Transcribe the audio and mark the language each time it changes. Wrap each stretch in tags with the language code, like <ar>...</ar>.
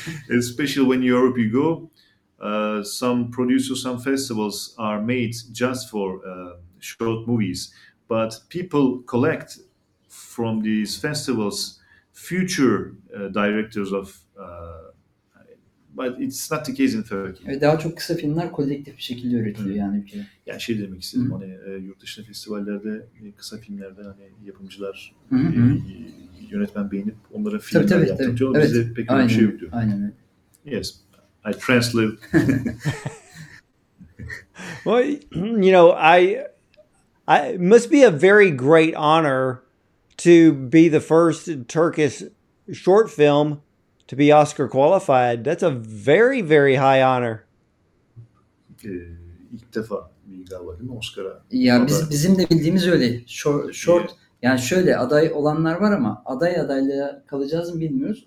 <en>Especially when Europe you go, some producers, some festivals are made just for short movies. But people collect from these festivals future directors of. But it's not the case in Turkey.</en> <tr>Daha çok kısa filmler kolektif bir şekilde üretiliyor yani ülkede. Yani şey demek istedim, hani yurt dışında festivallerde kısa filmlerde hani yapımcılar yönetmen beğenip onlara filmler yaptırıyor. Evet. Bizde pek bir şey yok diyor. Aynen.</tr> <en>Yes, I translate. Well, you know, I must be a very great honor to be the first Turkish short film to be Oscar qualified. That's a very, very high honor.</en> <tr>İlk defa bir galiba değil mi Oscar'a? Ya bizim de bildiğimiz öyle. Short yani şöyle, aday olanlar var ama aday adaylığa kalacağız mı bilmiyoruz.</tr>